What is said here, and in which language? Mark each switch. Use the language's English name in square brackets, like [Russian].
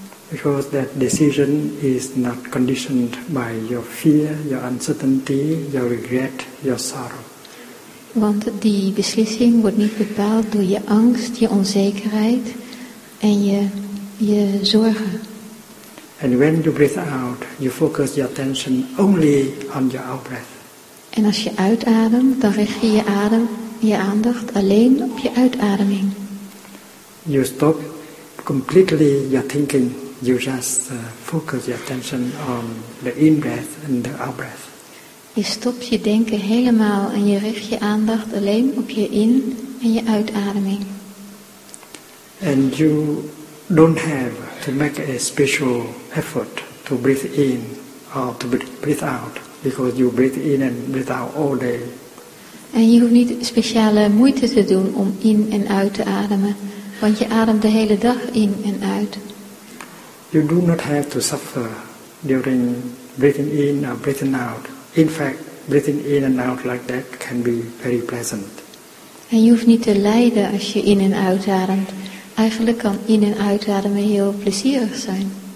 [English] Because that decision is not conditioned by your fear, your uncertainty, your regret, your sorrow. [Dutch] Want die beslissing wordt niet bepaald door je angst, je onzekerheid en je zorgen. [English] And when you breathe out, you focus your attention only on your out-breath. [Dutch] En als je uitademt, dan richt je je aandacht alleen op je uitademing. [English] You stop completely your thinking. You just focus your attention on the in-breath and the out-breath. [Dutch] Je stopt je denken helemaal en je richt je aandacht alleen op je in- en je uitademing. [English] And you don't have to make a special effort to breathe in or to breathe out, because you breathe in and breathe out all day. [Dutch] En je hoeft niet speciale moeite te doen om in en uit te ademen, want je ademt de hele dag in en uit. [English] You do not have to suffer during breathing in or breathing out. In fact, breathing in and out like that can be very pleasant. [Dutch] En je hoeft niet te lijden als je in en uitademt. Eigenlijk kan in en uitademen heel plezierig zijn.